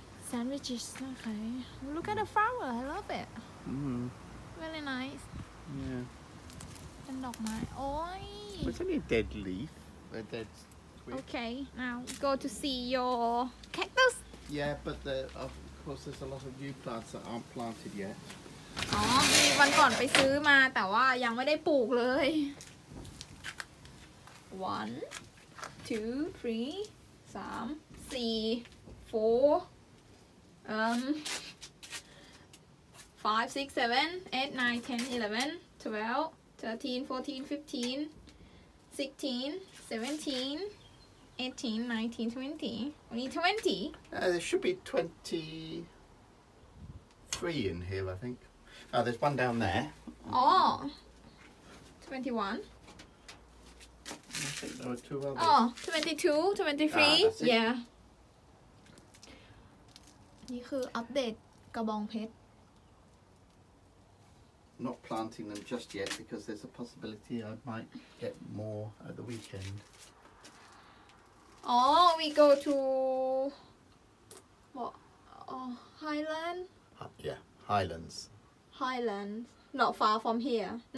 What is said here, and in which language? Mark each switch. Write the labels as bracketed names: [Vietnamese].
[English] Sandwiches, okay. Look at the flower. I love it. Really nice. Yeah. And dog my oi. It's only a dead leaf. A dead twig. Okay, now go to see your cactus. Yeah, but of course there's a lot of new plants that aren't planted yet. Oh, [Thai] มีวันก่อนไปซื้อมาแต่ว่ายังไม่ได้ปลูกเลย [English] 1 2 3 3 4 4 5 6 7 8 9 10 11 12 13 14 15 16 17 18 19 20 only 20 there should be 23 in here I think oh there's one down there oh 21 22, 23, [Thai] yeah. นี่คืออัปเดตกระบองเพชร [English] Not planting them just yet because there's a possibility I might get more at the weekend. Oh, we go to what? Oh, Highland. Yeah, Highlands. Highlands, not far from here.